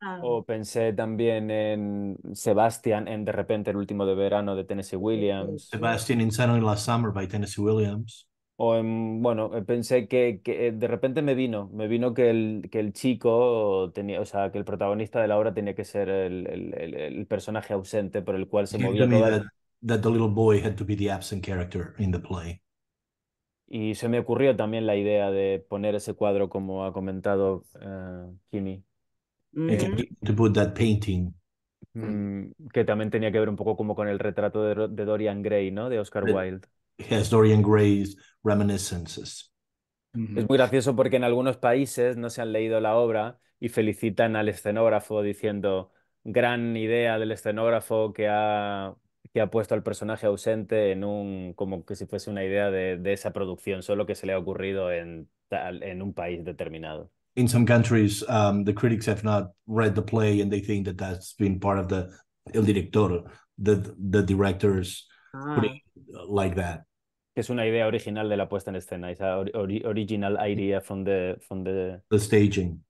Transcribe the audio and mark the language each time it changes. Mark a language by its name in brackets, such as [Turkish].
[Spanish] O pensé también en Sebastian en De repente el último de verano de Tennessee Williams. [English] Sebastian in Suddenly Last Summer by Tennessee Williams. [Spanish] O en, bueno, pensé que de repente me vino que el chico tenía, o sea, que el protagonista de la obra tenía que ser el personaje ausente por el cual se movía toda [English] that the little boy had to be the absent character in the play. [Spanish] Y se me ocurrió también la idea de poner ese cuadro como ha comentado Kimi. [English] To put that painting. [Spanish] Que también tenía que ver un poco como con el retrato de Dorian Gray, ¿no? De Oscar Wilde. [English] Yes, Dorian Gray's reminiscences. [Spanish] Es muy gracioso porque en algunos países no se han leído la obra y felicitan al escenógrafo diciendo gran idea del escenógrafo que ha puesto al personaje ausente en un, como que si fuese una idea de esa producción, solo que se le ha ocurrido en un país determinado. [English] In some countries, the critics have not read the play and they think that that's been part of [Spanish] el director, [English] the director's putting like that. [Spanish] Es una idea original de la puesta en escena, esa original idea [English] from the staging.